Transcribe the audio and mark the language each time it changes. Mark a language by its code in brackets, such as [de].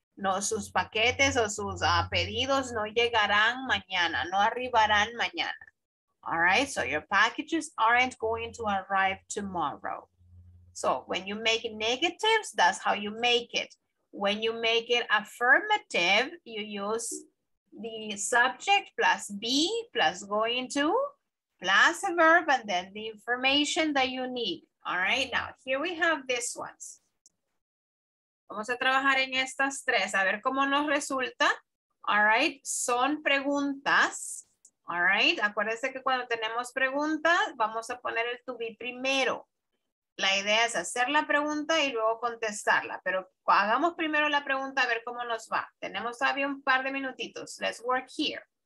[es] No, sus paquetes o sus pedidos no llegarán mañana, no arribarán mañana. [en] All right, so your packages aren't going to arrive tomorrow. So when you make negatives, that's how you make it. When you make it affirmative, you use the subject plus be plus going to plus a verb and then the information that you need. All right, now here we have this ones. [es] Vamos a trabajar en estas tres, a ver cómo nos resulta. All right, son preguntas. All right, acuérdense que cuando tenemos preguntas, vamos a poner el to be primero. La idea es hacer la pregunta y luego contestarla, pero hagamos primero la pregunta a ver cómo nos va. Tenemos todavía un par de minutitos. [en] Let's work here.